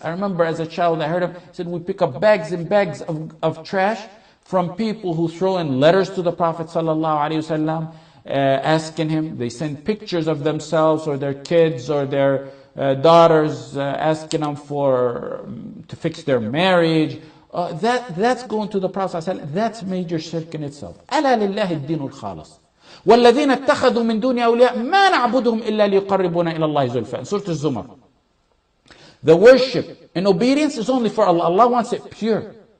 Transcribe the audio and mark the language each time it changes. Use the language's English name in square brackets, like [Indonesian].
[English] I remember as a child, I heard him. He said, we pick up bags and bags of trash from people who throw in letters to the Prophet sallallahu alaihi wasallam, asking him. They send pictures of themselves or their kids or their daughters, asking them to fix their marriage. That's going to the Prophet sallallahu alaihi wasallam. That's major shirk in itself. [Arabic] أَلَا لِلَّهِ الدِّينُ الْخَالِصِ والذين اتخذوا من دون أولياء ما نعبدهم إلا ليقربونا إلى الله زلفى. سورة الزمر. [English] The worship and obedience is only for Allah. Allah wants it pure.